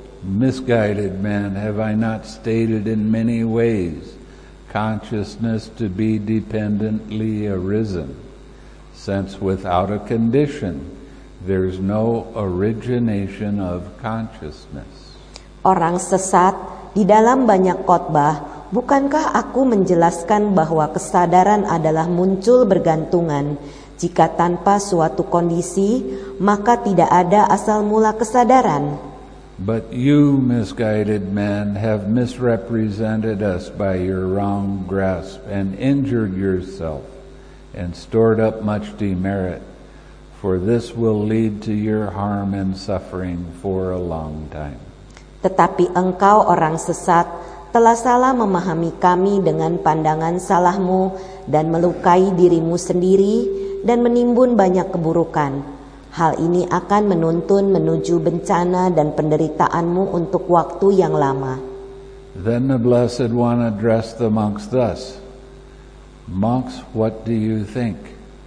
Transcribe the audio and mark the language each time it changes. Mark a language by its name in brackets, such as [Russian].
[English] "Misguided man, have I not stated in many ways consciousness to be dependently arisen, since without a condition there's no origination of consciousness?" [Indonesian] Orang sesat, di dalam banyak khotbah, bukankah aku menjelaskan bahwa kesadaran adalah muncul bergantungan? Jika tanpa suatu kondisi, maka tidak ada asal mula kesadaran. [English] But you, misguided men, have misrepresented us by your wrong grasp and injured yourself and stored up much demerit, for this will lead to your harm and suffering for a long time. [Indonesian] Tetapi engkau, orang sesat, telah salah memahami kami dengan pandangan salahmu dan melukai dirimu sendiri dan menimbun banyak keburukan. Hal ini akan menuntun menuju bencana dan penderitaanmu untuk waktu yang lama. [English] Then the Blessed One addressed the monks thus, "Monks, what do you think?